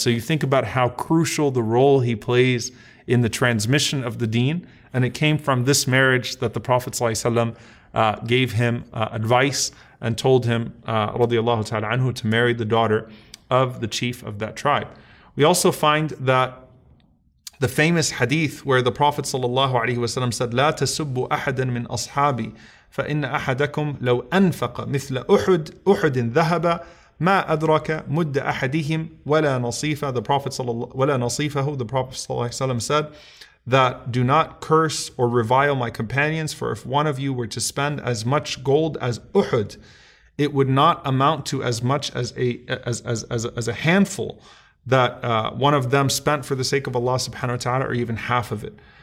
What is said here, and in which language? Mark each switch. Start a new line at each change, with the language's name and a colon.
English: So you think about how crucial the role he plays in the transmission of the deen, and it came from this marriage that the Prophet ﷺ gave him advice and told him radiyallahu ta'ala anhu to marry the daughter of the chief of that tribe. We also find that the famous hadith where the Prophet ﷺ said,
Arabic: لا تسبوا أحدا من أصحابي فإن أحدكم لو أنفق مثل أحد أحد ذهب ما أدرك مد أحدهم ولا نصيفة.
English: The Prophet ﷺ,
Arabic: ولا نصيفه,
English: the Prophet ﷺ said that do not curse or revile my companions, for if one of you were to spend as much gold as Uhud, it would not amount to as much as a handful that one of them spent for the sake of Allah subhanahu wa ta'ala, or even half of it.